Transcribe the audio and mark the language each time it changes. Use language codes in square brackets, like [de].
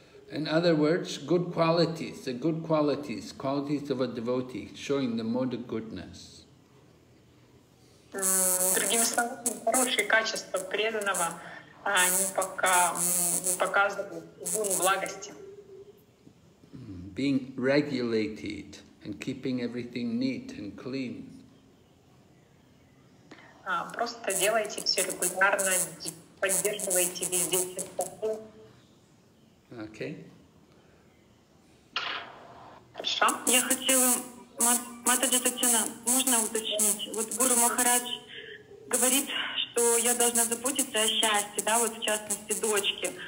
[en] In other words, good qualities, the good qualities, qualities of a devotee, showing the mode of goodness. [ru] Другими словами, хорошие качества преданного, они пока не показывают гуну благости. [en] Being regulated and keeping everything neat and clean. [ru] Просто делайте все регулярно, поддерживайте везде чистоту. [en] Okay. [ru] Хорошо. Я хотела, Матаджи Татьяна, можно уточнить? Вот Гуру Махарадж говорит, что я должна заботиться о счастье, да, вот в частности дочке.